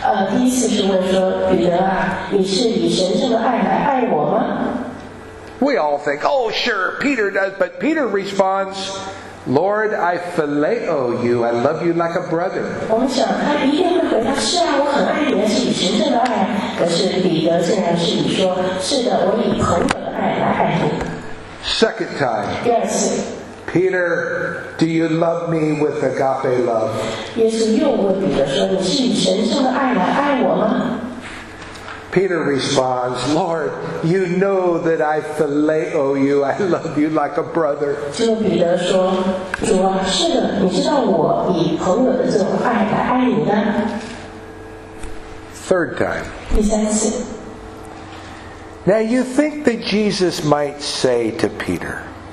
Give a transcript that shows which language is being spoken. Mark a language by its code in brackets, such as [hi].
[zh] 第一次是问说，彼得啊，你是以神圣的爱来爱我吗？ [en] We all think, oh sure, Peter does, but Peter responds, Lord, I phileo you, I love you like a brother. [zh] 我们想他一定会回答，是啊，我很爱你，是以神圣的爱。可是彼得竟然是你说，是的，我以朋友的爱来爱你。 [en] Second time. [zh] 第二次。 [en] Peter, do you love me with agape love? [zh] 耶稣又问彼得说：“你是以神圣的爱来爱我吗？” [en] Peter responds, "Lord, you know that I phileo you. I love you like a brother." [zh] 就彼得说：“主啊，是的，你知道我以朋友的这种爱来爱你的。” [en] Third time. [zh] 第三次。 [en] Now you think that Jesus might say to Peter.